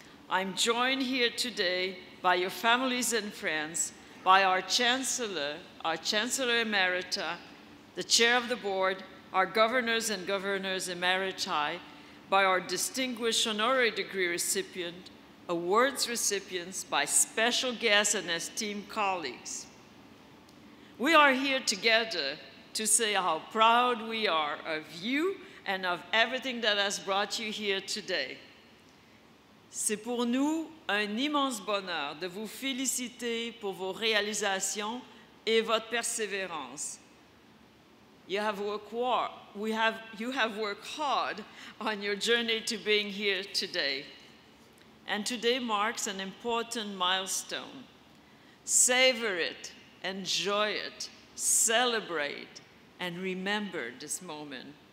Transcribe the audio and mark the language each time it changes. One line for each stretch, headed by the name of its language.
English: I'm joined here today by your families and friends, by our Chancellor Emerita, the Chair of the Board, our Governors and Governors Emeriti, by our distinguished honorary degree recipient, awards recipients, by special guests and esteemed colleagues. We are here together to say how proud we are of you and of everything that has brought you here today.
French: C'est pour nous un immense bonheur de vous féliciter pour vos réalisations et votre persévérance.
English: You have worked hard on your journey to being here today. And today marks an important milestone. Savor it, enjoy it, celebrate, and remember this moment.